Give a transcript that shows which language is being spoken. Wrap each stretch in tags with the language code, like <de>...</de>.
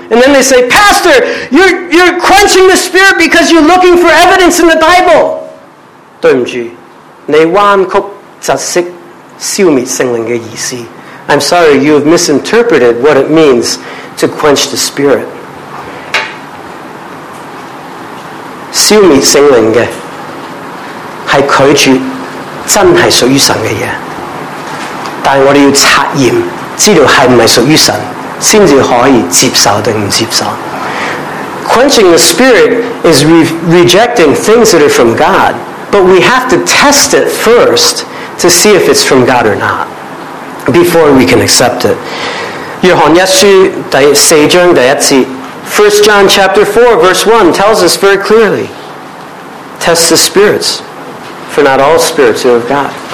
<en>And then they say, Pastor, you're quenching the Spirit because you're looking for evidence in the Bible.</en> <zh>对不起,你弯曲窒息消灭圣灵的意思。</zh> <en>I'm sorry, you have misinterpreted what it means to quench the Spirit.</en> <zh>消灭圣灵的是拒绝真是属于神的东西但我们要察验知道是不是属于神才可以接受还是不接受。</zh> <en>Quenching the Spirit is rejecting things that are from God, but we have to test it first to see if it's from God or not before we can accept it.</en> <zh>约翰一书第四章第一节,</zh> <en>1 John chapter 4 verse 1 tells us very clearly, test the spirits, for not all spirits are of God.</en>